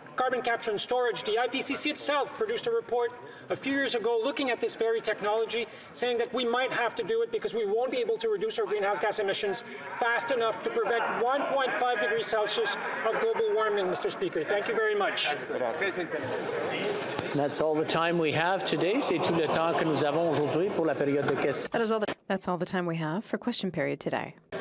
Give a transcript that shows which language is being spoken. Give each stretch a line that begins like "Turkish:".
English: carbon capture and storage, the IPCC itself produced a report a few years ago looking at this very technology, saying that we might have to do it because we won't be able to reduce our greenhouse gas emissions fast enough to prevent 1.5 degrees Celsius of global warming, Mr. Speaker. Thank you very much. That's all the time we have today.
French: C'est tout le temps que nous avons aujourd'hui pour la période de questions.
English: That's all the time we have for question period today.